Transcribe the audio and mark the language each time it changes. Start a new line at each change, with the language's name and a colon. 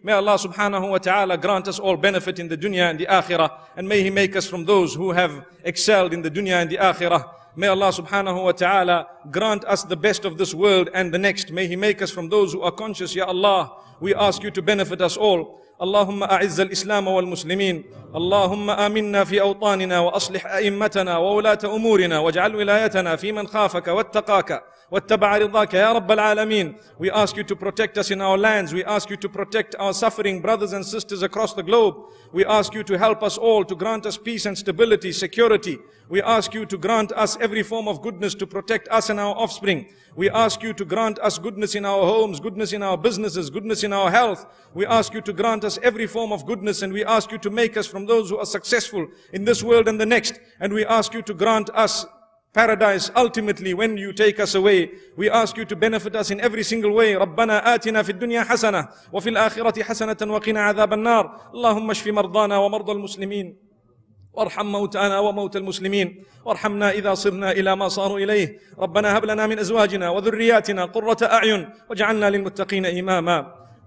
English: May Allah subhanahu wa ta'ala grant us all benefit in the dunya and the akhirah. And may He make us from those who have excelled in the dunya and the akhirah. May Allah subhanahu wa ta'ala grant us the best of this world and the next. May He make us from those who are conscious. Ya Allah, we ask You to benefit us all.
Arabic: اللهم أعز الإسلام والمسلمين اللهم آمنا في أوطاننا وأصلح أئمتنا وولاة أمورنا واجعل ولايتنا في من خافك واتقاك واتبع رضاك يا رب العالمين.
English: We ask You to protect us in our lands. We ask You to protect our suffering brothers and sisters across the globe. We ask You to help us all, to grant us peace and stability, security. We ask You to grant us every form of goodness to protect us and our offspring. We ask You to grant us goodness in our homes, goodness in our businesses, goodness in our health. We ask You to grant us every form of goodness, and we ask You to make us from those who are successful in this world and the next. And we ask You to grant us paradise ultimately when You take us away. We ask You to benefit us in every single way.
Arabic: ربنا آتنا في الدنيا حسنة وفي الآخرة حسنة وقنا عذاب النار. اللهم اشف مرضانا ومرضى المسلمين. وارحم موتانا وموت المسلمين، وارحمنا إذا صرنا إلى ما صاروا إليه. ربنا هب لنا من أزواجنا وذرياتنا قرة أعين، واجعلنا للمتقين إماما.